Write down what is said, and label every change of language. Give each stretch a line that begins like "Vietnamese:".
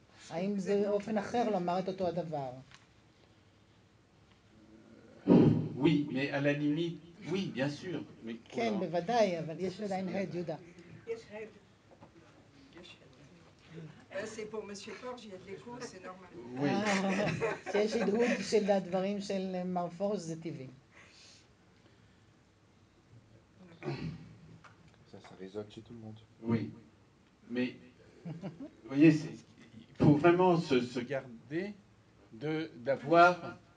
Hebrew: האם זה אופן אחר לומר את אותו הדבר?
French: Oui, mais à la limite, oui, bien sûr.
Hebrew: כן, בוודאי, אבל יש עדיין הד, יהודה.
French: C'est pour Monsieur Forge, il y a de l'écho, c'est normal. Oui. Si j'ai des choses de Marc Forge, c'est TV. Ça résonne chez tout le monde. Oui. Mais, vous voyez, il faut vraiment se garder d'avoir...